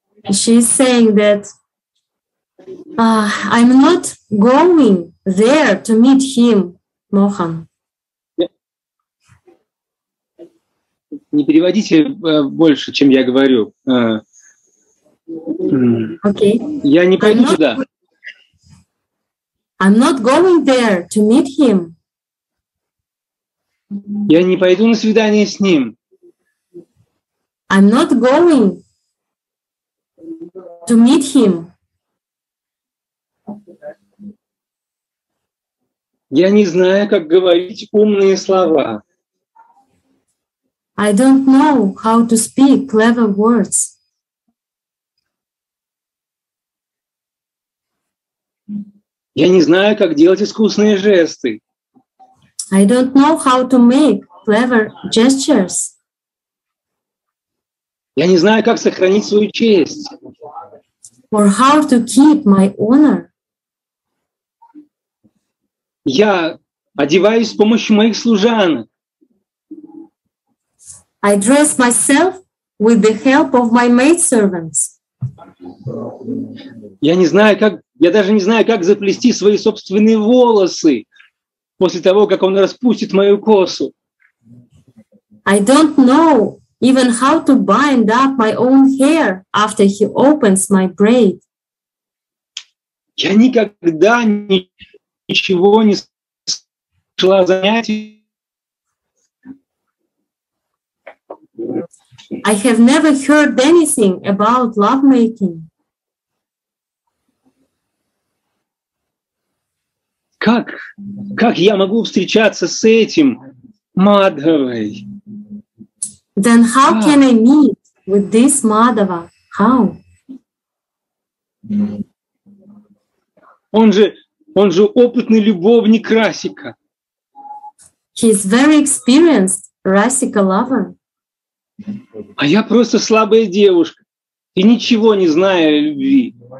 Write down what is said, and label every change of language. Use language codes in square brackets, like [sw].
[en] She is saying that I'm not going there to meet him, Mohan. [ru] Не переводите больше, чем я говорю. [en] Okay. [ru] Я не пойду туда. [en] I'm not going there to meet him. [ru] Я не пойду на свидание с ним. [en] I'm not going to meet him. [ru] Я не знаю, как говорить умные слова. [en] I don't know how to speak clever words. [ru] Я не знаю, как делать искусные жесты. [en] I don't know how to make clever gestures. [ru] Я не знаю, как сохранить свою честь. [en] Or how to keep my honor. [ru] Я одеваюсь с помощью моих служанок. [en] I dress myself with the help of my maidservants. [ru] Я даже не знаю, как заплести свои собственные волосы после того, как он распустит мою косу. [en] I don't know even how to bind up my own hair after he opens my braid. [ru] Я никогда ничего не шла занятий. [en] I have never heard anything about lovemaking. [ru] Как я могу встречаться с этим Мадхавой? [en] Then how can I meet with this Madhava? How? [ru] Он же опытный любовник Расика. [en] He is very experienced Rasika lover. [ru] А я просто слабая девушка и ничего не знаю о любви.